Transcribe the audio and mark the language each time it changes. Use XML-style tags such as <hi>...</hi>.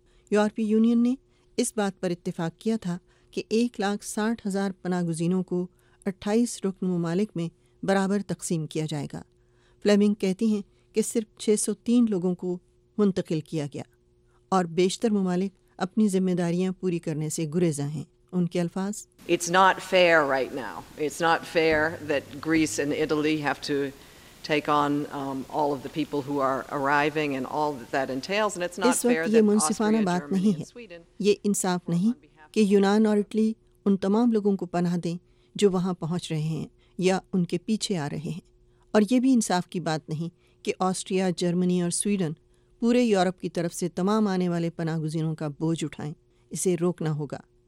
<ur>یورپی یونین نے اس بات پر اتفاق کیا تھا کہ 1,60,000 پناہ گزینوں کو 28 رکن ممالک میں برابر تقسیم کیا جائے گا. فلیمنگ کہتی ہیں کہ صرف 603 لوگوں کو منتقل کیا گیا اور بیشتر ممالک اپنی ذمہ داریاں پوری کرنے سے گریزاں ہیں. ان کے الفاظ،</ur> <en>it's not fair right now, it's not fair that Greece and Italy have to take on all of the people who are arriving and all that that entails and it's not fair that Austria, Germany, and Sweden</en> <ur>یہ منصفانہ بات نہیں ہے. یہ انصاف نہیں کہ یونان اور اٹلی ان تمام لوگوں کو پناہ دیں جو وہاں پہنچ رہے ہیں یا ان کے پیچھے آ رہے ہیں، اور یہ بھی انصاف کی بات نہیں کہ آسٹریا، جرمنی اور سویڈن پورے یورپ کی طرف سے تمام آنے والے پناہ گزینوں کا بوجھ اٹھائیں. اسے روکنا ہوگا.</ur>